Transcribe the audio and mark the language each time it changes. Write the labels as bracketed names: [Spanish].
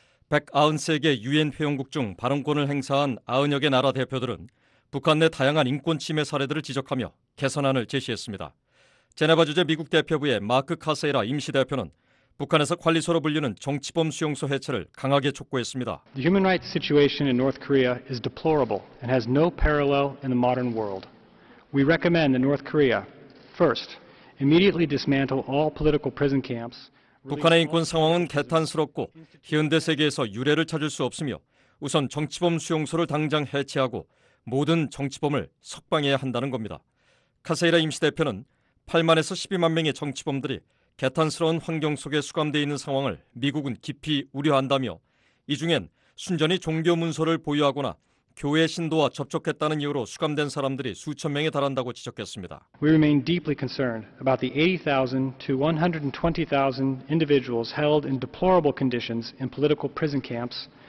[Korean] 193개 유엔 회원국 중 발언권을 행사한 90여 개 나라 대표들은 북한 내 다양한 인권 침해 사례들을 지적하며 개선안을 제시했습니다. 제네바 주재 미국 대표부의 마크 카세이라 임시 대표는 북한에서 관리소로 불리는 정치범 수용소 해체를 강하게 촉구했습니다. [English] The human rights situation in North Korea is deplorable and has no parallel in the modern world. We recommend that North Korea first immediately dismantle all political prison camps. [Korean] 북한의 인권 상황은 개탄스럽고 현대 세계에서 유례를 찾을 수 없으며 우선 정치범 수용소를 당장 해체하고 모든 정치범을 석방해야 한다는 겁니다. 카세이라 임시대표는 8만에서 12만 명의 정치범들이 개탄스러운 환경 속에 수감되어 있는 상황을 미국은 깊이 우려한다며 이 중엔 순전히 종교 문서를 보유하거나 교회 신도와 접촉했다는 이유로 수감된 사람들이 수천 명에 달한다고 지적했습니다. [English] We remain deeply concerned about the 80,000 to 120,000 individuals held in deplorable conditions in political prison camps.